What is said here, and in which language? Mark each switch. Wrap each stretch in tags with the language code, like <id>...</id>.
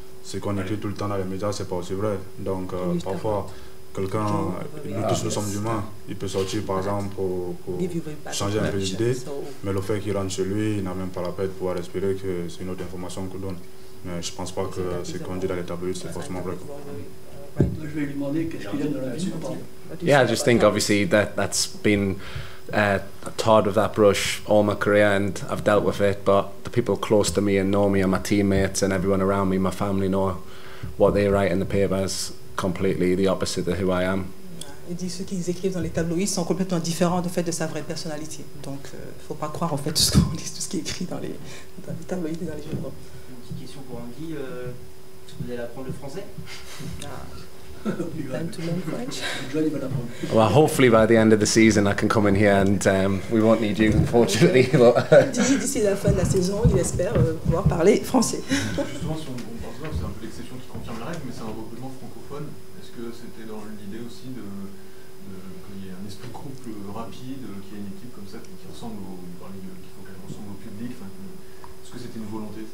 <fr>C'est qu'on écrit tout le temps dans les médias, c'est pas aussi vrai. Donc parfois, quelqu'un, nous tous nous sommes humains, il peut sortir par exemple pour changer un peu d'idée, mais le fait qu'il rentre chez lui, il n'a même pas la peine de pouvoir respirer, que c'est une autre information qu'on donne. Mais je pense pas que ce qu'on dit dans les tabloïds, c'est forcément vrai. Je vais lui demander qu'est-ce qu'il y a dans la vie.</fr> <en>Yeah, I just think obviously that's been tarred with that brush all my career, and I've dealt with it, but the people close to me and know me and my teammates and everyone around me, my family, know what they write in the papers completely the opposite of who I am.</en> <fr>Il dit ce qu'ils écrivent dans les tabloïds sont complètement différents de fait de sa vraie personnalité, donc il ne faut pas croire en fait tout ce qui est écrit dans les tabloïds et dans les journaux. Une petite question pour Andy, vous allez apprendre le français?</fr> <en>Well, hopefully by the end of the season I can come in here and we won't need you, unfortunately.</en> <fr>D'ici la fin de la saison, il espère pouvoir parler français. Justement, si on pense voir, c'est un peu l'exception qui confirme la règle, mais c'est un recrutement francophone. Est-ce que c'était dans l'idée aussi de qu'il y ait un esprit couple rapide, qu'il y ait une équipe comme ça qui ressemble au, qu'il faut qu'elle ressemble au public, est-ce que c'était une volonté?</fr>